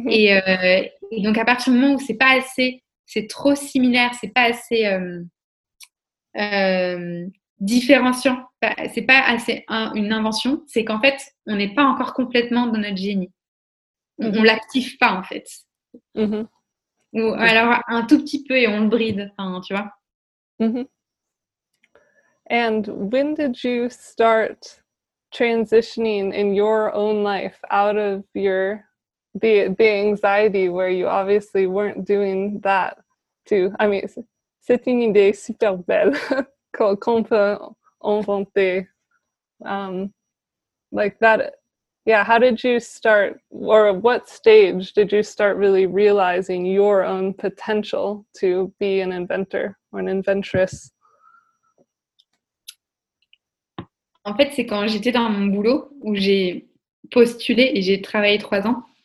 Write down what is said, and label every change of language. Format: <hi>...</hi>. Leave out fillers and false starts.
<fr>Et donc à partir du moment où c'est pas assez, c'est trop similaire, c'est pas assez différenciant, c'est pas assez une invention, c'est qu'en fait on n'est pas encore complètement dans notre génie. On l'active pas, en fait. Ou alors un tout petit peu et on le bride, enfin, tu vois.</fr> <en>And when did you start transitioning in your own life out of your the anxiety, where you obviously weren't doing that too? I mean,</en> <fr>c'est une idée super belle qu'on peut inventer.</fr> <en>Like that, yeah, how did you start, or what stage did you start really realizing your own potential to be an inventor or an inventress?</en> <fr>En fait, c'est quand j'étais dans mon boulot où j'ai postulé et j'ai travaillé 3 ans.</fr>